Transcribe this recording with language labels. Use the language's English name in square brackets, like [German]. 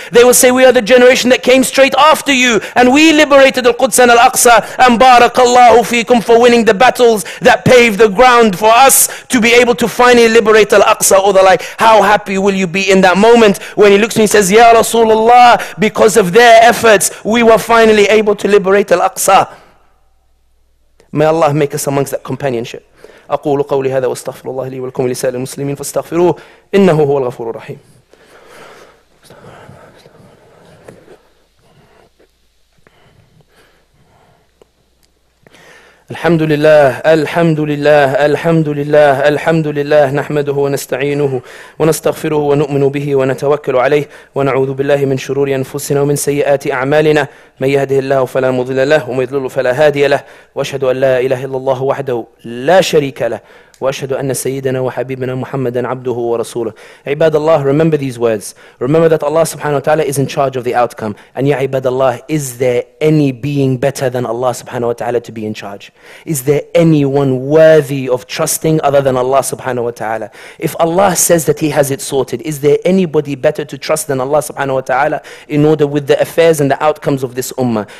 [English] They will say, we are the generation that came straight after you, and we liberated Al-Quds and Al-Aqsa, and [Arabic] barakallahu feekum [English] for winning the battles that paved the ground for us to be able to finally liberate Al-Aqsa or the like. How happy will you be in that moment when he looks at me and says, [Arabic] ya Rasulullah, [English] because of their efforts, we were finally able to liberate Al-Aqsa. May Allah make us amongst that companionship. [Arabic] أقول قولي هذا واستغفر الله لي ولكم ولسائر المسلمين فاستغفروه إنه هو الغفور الرحيم. الحمد لله الحمد لله الحمد لله الحمد لله نحمده ونستعينه ونستغفره ونؤمن به ونتوكل عليه ونعوذ بالله من شرور أنفسنا ومن سيئات أعمالنا من يهده الله فلا مضل له ومن يضلل فلا هادي له وأشهد أن لا إله إلا الله وحده لا شريك له وأشهد أن سيدنا وحبيبنا محمدا عبده ورسوله. عباد الله, [English] remember these words. Remember that Allah subhanahu wa ta'ala is in charge of the outcome. And [Arabic] ya عباد الله, [English] is there any being better than Allah subhanahu wa ta'ala to be in charge? Is there anyone worthy of trusting other than Allah subhanahu wa ta'ala? If Allah says that He has it sorted, is there anybody better to trust than Allah subhanahu wa ta'ala in order with the affairs and the outcomes of this ummah?